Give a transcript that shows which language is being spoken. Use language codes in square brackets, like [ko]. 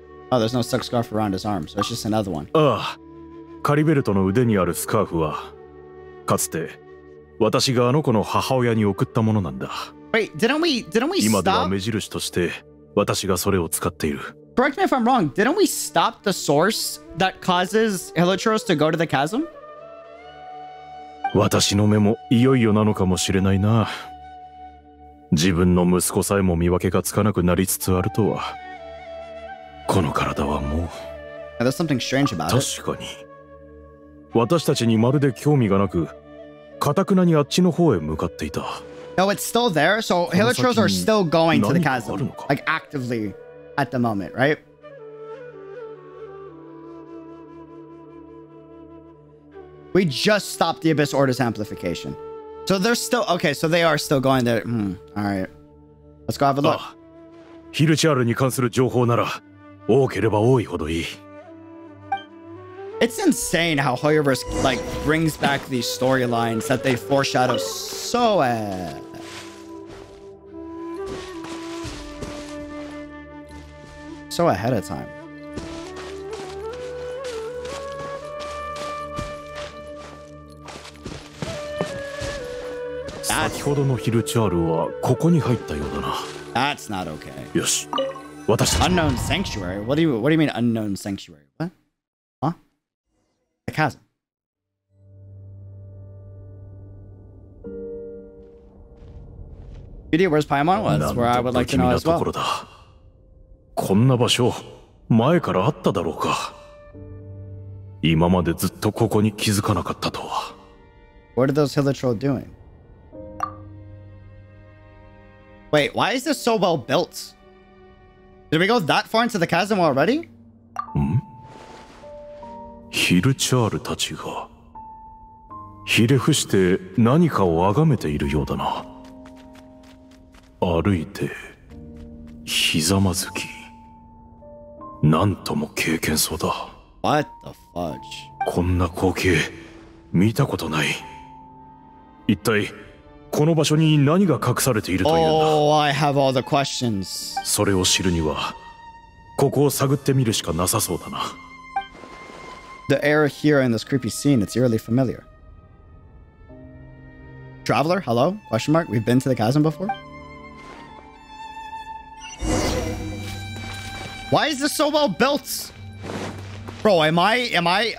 [en] Oh, there's no silk scarf around his arm, so it's just another one. [ja] ああ、カリベルトの腕にあるスカーフは、かつて私があの子の母親に送ったものなんだ。 [en] Wait, didn't we stop? [ja] 今では目印として私がそれを使っている。 [en] Correct me if I'm wrong. Didn't we stop the source that causes Helichros to go to the chasm? [ja] 私の目もいよいよなのかもしれないな。自分の息子さえも見分けがつかなくなりつつあるとは。この体はもう。 [en] There's something strange about it. [ja] 確かに。私たちにまるで興味がなく、かたくなにあっちの方へ向かっていた。 [en] No, it's still there. So Helichros are still going to the chasm, like actively at the moment, right? We just stopped the Abyss Order's amplification. So they're still, okay, so they are still going there. Hmm, all right. Let's go have a look. [ja] ヒルチャールに関する情報なら多ければ多いほどいい。 [en] It's insane how Hoyerverse like brings back these storylines that they foreshadow so well. So ahead of time. That's... [ja] 先ほどのヒルチャールはここに入ったようだな。 [en] That's not okay. [ja] よし、私たち。 [en] Unknown sanctuary? What do you mean unknown sanctuary? Chasm. You did where's Paimon was, where I would like to know as well. [ja] こんな場所、前からあっただろうか。今までずっとここに気づかなかったとは。 [en] What are those Helichros doing? Wait, why is this so well built? Did we go that far into the chasm already? [ja] ヒルチャールたちがひれ伏して何かをあがめているようだな。歩いてひざまずき、なんとも経験そうだ。 [en] What the fudge? [ja] こんな光景見たことない。一体この場所に何が隠されているというんだ。 [en] Oh, I have all the questions. [ja] それを知るにはここを探ってみるしかなさそうだな。 [en] The air here in this creepy scene, it's eerily familiar. Traveler, hello? Question mark? We've been to the chasm before? Why is this so well built? Bro, am I?